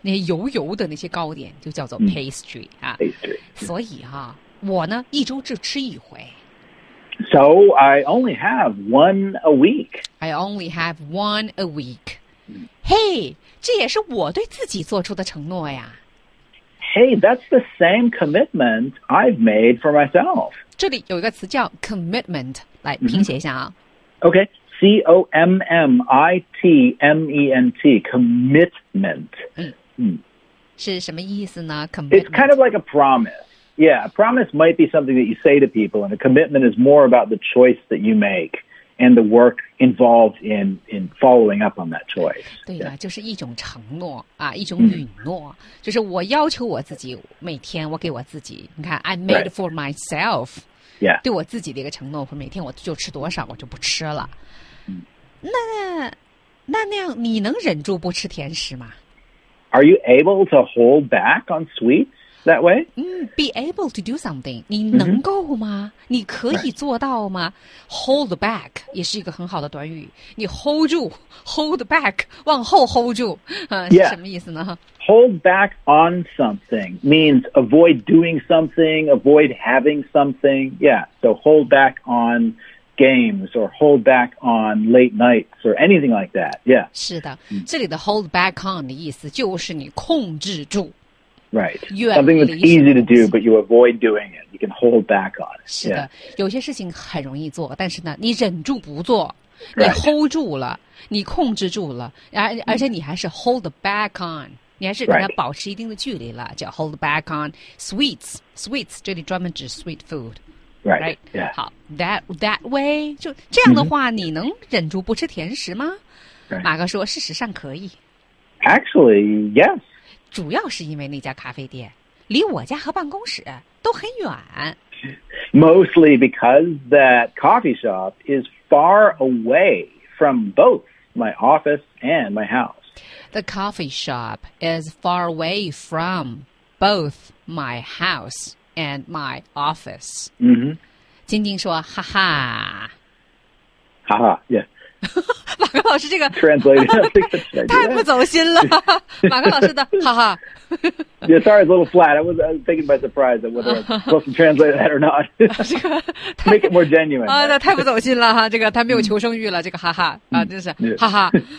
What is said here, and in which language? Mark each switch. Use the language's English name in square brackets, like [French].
[Chinese] 那些油油的那些糕点就叫做 pastry 啊。 [English] pastry。 [Chinese] 所以哈、啊，我呢一周只吃一回。 [English] So I only have one a week. I only have one a week. [Chinese] Hey， 这也是我对自己做出的承诺呀。 [English] Hey, that's the same commitment I've made for myself. [Chinese] 这里有一个词叫 commitment, 来拼写一下啊。 [English] Okay, C-O-M-M-I-T-M-E-N-T, commitment. [Chinese] 是什么意思呢 [English] ？Commitment. It's kind of like a promise. Yeah, a promise might be something that you say to people, and a commitment is more about the choice that you make. And the work involved in following up on that choice. [Chinese] 对的，就是一种承诺啊，一种允诺，就是我要求我自己每天我给我自己，你看 ， [English] I made for myself. Yeah. [Chinese] 对我自己的一个承诺，我每天我就吃多少，我就不吃了。那样，你能忍住不吃甜食吗 [English] ？Are you able to hold back on sweets that way? Be able to do something. [Chinese] 你能够吗？你可以做到吗 ？Hold back 也是一个很好的短语。你 hold 住 ，hold back， 往后 hold 住，是什么意思呢 [English] ？Hold back on something means avoid doing something, avoid having something. Yeah, so hold back on games or hold back on late nights or anything like that. Yeah. [Chinese] 是的，这里的 hold back on 的意思就是你控制住。 [English] Right. Something that's easy to do, but you avoid doing it. You can hold back on it. [Chinese] 是的、 [English] yeah. [Chinese] 有些事情很容易做但是呢你忍住不做、 [English] right. [Chinese] 你 hold 住了你控制住了而且你还是 hold back on. 你还是跟它保持一定的距离了、 [English] right. 叫 hold back on sweets. Sweets, [Chinese] 这里专门指 [English] sweet food. Right. right? Yeah. [Chinese] 好 that way, 就这样的话、你能忍住不吃甜食吗、 [English] right. [Chinese] 马哥说事实上可以。 [English] Actually, yes. [Chinese] 主要是因为那家咖啡店离我家和办公室都很远。 [English] Mostly because that coffee shop is far away from both my office and my house. The coffee shop is far away from both my house and my office. [Chinese] 晶晶说：“哈哈，哈哈 ，Yeah。” 马克老师这个 [English] translated [Chinese] 太不走心了。马克老师的哈哈。 [English] Yeah, sorry, it's a little flat. I was taken by surprise at whether I'm supposed to translate that or not. [Chinese] 这个 [English] make it more genuine. [Chinese] 啊，太不走心了哈。这个他没有求生欲了。这个哈哈啊，真是哈哈。